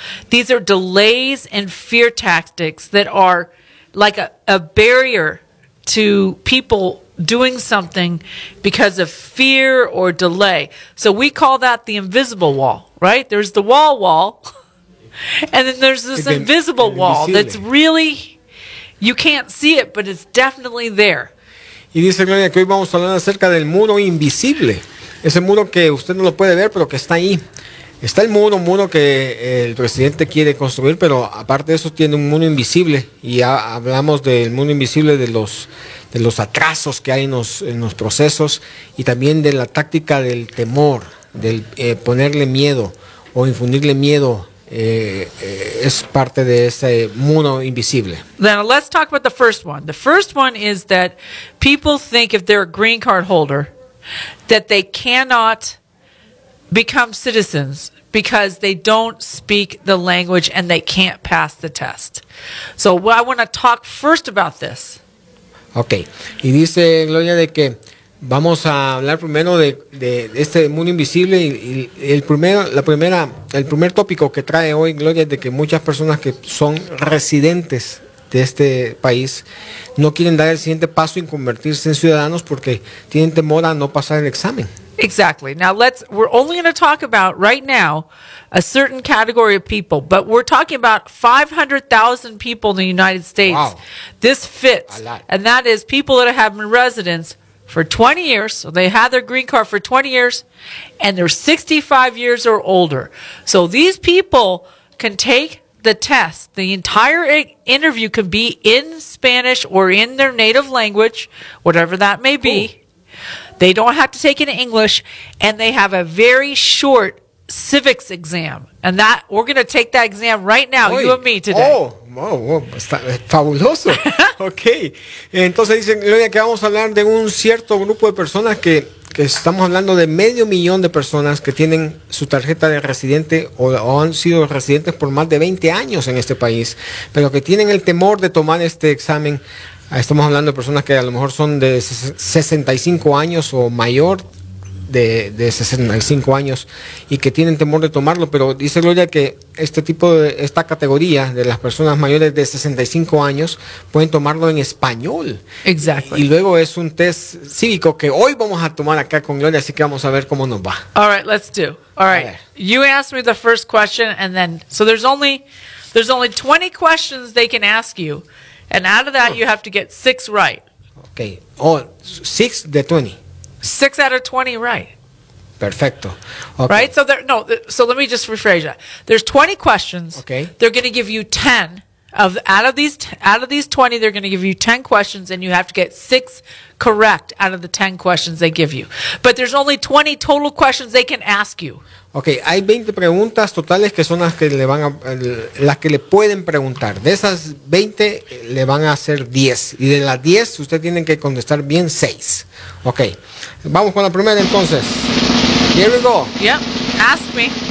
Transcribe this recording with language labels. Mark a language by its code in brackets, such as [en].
[en] These are delays and fear tactics that are like a barrier to people doing something because of fear or delay. So we call that the invisible wall, right? There's the wall, and then there's this invisible wall that's really, you can't see it, but it's definitely there. [es] Y dice Gloria que hoy vamos a hablar acerca del muro invisible. Ese muro que usted no lo puede ver, pero que está ahí. Está el muro, que el presidente quiere construir, pero aparte de eso tiene un muro invisible. Y ya hablamos del muro invisible, de los atrasos que hay en los procesos y también de la táctica del temor, del ponerle miedo o infundirle miedo. Es parte de ese muro invisible. [en] Now let's talk about the first one. The first one is that people think if they're a green card holder that they cannot become citizens because they don't speak the language and they can't pass the test. So I want to talk first about this. Okay. [es] Y dice Gloria de que vamos a hablar primero de este mundo invisible y el primer tópico que trae hoy Gloria es de que muchas personas que son residentes de este país no quieren dar el siguiente paso y convertirse en ciudadanos porque tienen temor a no pasar el examen. [en] Exactly. Now we're only going to talk about right now a certain category of people, but we're talking about 500,000 people in the United States. Wow. This fits. A lot. And that is people that have been residents for 20 years, so they have their green card for 20 years, and they're 65 years or older. So these people can take the test. The entire interview can be in Spanish or in their native language, whatever that may be. Cool. They don't have to take it in English, and they have a very short civics exam. And that we're going to take that exam right now, Oy. You and me today. [es] Oh. Wow, está fabuloso. Okay. Entonces dicen, Gloria, que vamos a hablar de un cierto grupo de personas que estamos hablando de 500,000 de personas que tienen su tarjeta de residente o han sido residentes por más de 20 años en este país, pero que tienen el temor de tomar este examen. Estamos hablando de personas que a lo mejor son de 65 años o mayor, de 65 años y que tienen temor de tomarlo, pero dice Gloria que este tipo de esta categoría de las personas mayores de 65 años pueden tomarlo en español. Exacto. Y luego es un test cívico que hoy vamos a tomar acá con Gloria, así que vamos a ver cómo nos va. [en] All right, let's do. All right. You asked me the first question and then so there's only 20 questions they can ask you. And out of that, you have to get 6 right. [es] Okay. Oh, 6 de 20. [en] 6 out of 20 right. [es] Perfecto. [en] Okay. Right? So let me just rephrase that. There's 20 questions. Okay. They're going to give you 10 of out of these 20, they're going to give you 10 questions and you have to get 6 correct out of the 10 questions they give you. But there's only 20 total questions they can ask you. [es] Okay, hay 20 preguntas totales que son las que le pueden preguntar. De esas 20 le van a hacer 10 y de las 10 usted tiene que contestar bien 6. Okay. Vamos con la primera entonces. [en] Here we go. Yep. Ask me.